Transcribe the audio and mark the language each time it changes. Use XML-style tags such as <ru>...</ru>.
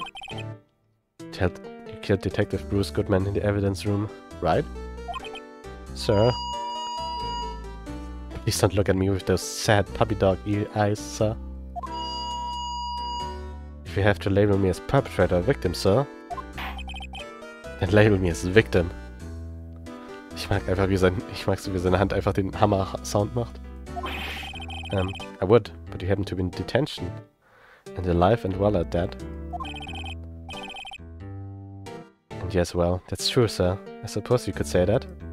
<en>You killed Detective Bruce Goodman in the evidence room, right? Sir? Please don't look at me with those sad puppy dog eyes, sir. If you have to label me as perpetrator or victim, sir, then label me as victim.</en> <de>Ich mag einfach, wie seine Hand einfach den Hammer-Sound macht.</de> <en>I would, but you happen to be in detention. And alive and well at that. And yes, well, that's true, sir. I suppose you could say that.</en>